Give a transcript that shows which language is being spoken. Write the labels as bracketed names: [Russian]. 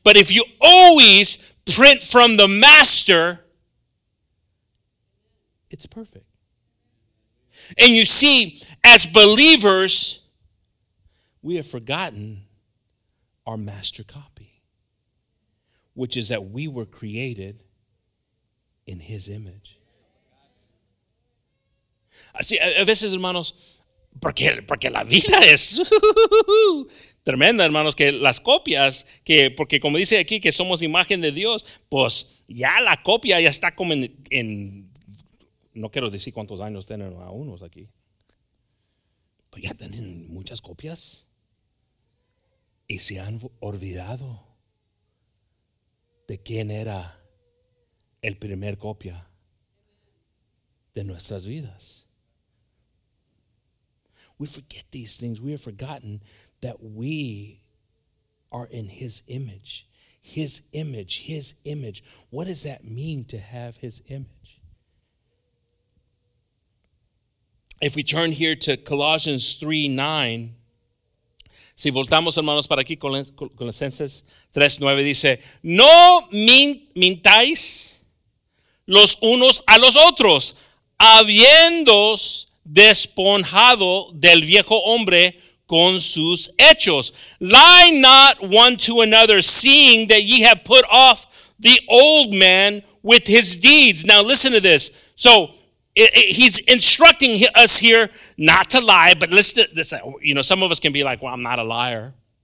[English] But if you always print from the master, it's perfect. And you see, as believers, we have forgotten our master copy. which is that we were created in His image. [Spanish] Así, a veces, hermanos, porque la vida es tremenda, hermanos, que las copias, que porque como dice aquí que somos imagen de Dios, pues ya la copia ya está como en no quiero decir cuántos años tienen a unos aquí, pero ya tienen muchas copias y se han olvidado de quién era el primer copia de nuestras vidas. [English] We forget these things. We have forgotten that we are in His image. His image, His image. What does that mean to have His image? If we turn here to Colossians 3:9, [Spanish] si voltamos, hermanos, para aquí, Colosenses 3:9 dice, no mintáis los unos a los otros, habiéndoos desponjado del viejo hombre con sus hechos. [English] Lie not one to another, seeing that ye have put off the old man with his deeds. Now listen to this. So he's instructing us here not to lie, but listen to this. You know, some of us can be like, well, I'm not a liar.